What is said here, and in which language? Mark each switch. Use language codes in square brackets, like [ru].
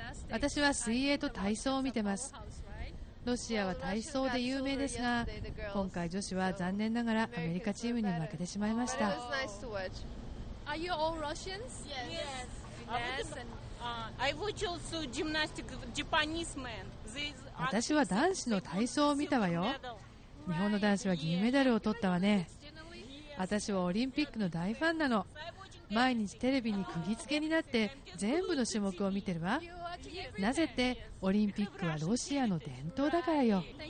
[ja] 私は水泳と体操を見てます。ロシアは体操で有名ですが、今回女子は残念ながらアメリカチームに負けてしまいました。 [en] Are you all Russians? Yes. Yes. I watch also gymnastics Japanese men. [ja] 私は男子の体操を見たわよ。日本の男子は銀メダルを取ったわね。私はオリンピックの大ファンなの。毎日テレビに釘付けになって全部の種目を見てるわ。なぜってオリンピックはロシアの伝統だからよ。